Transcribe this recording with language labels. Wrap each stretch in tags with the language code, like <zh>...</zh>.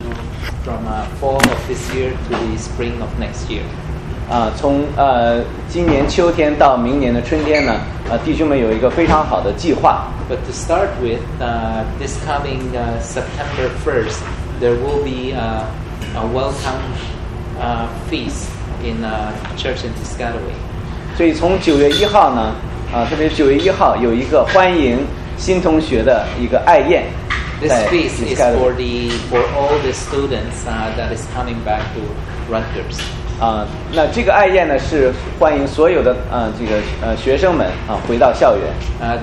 <en>from fall of this year to the spring of next year.</en> <zh>从今年秋天到明年的春天呢，弟兄们有一个非常好的计划。</zh> <en>But to start with, this coming September 1st, there will be a welcome feast in a church in Piscataway.</en> <zh>所以从九月一号呢，特别九月一号有一个欢迎新同学的一个爱宴。</zh> <en>This feast is for all the students that is coming back to Rutgers.</en> <zh>那这个爱宴呢是欢迎所有的这个学生们回到校园。</zh>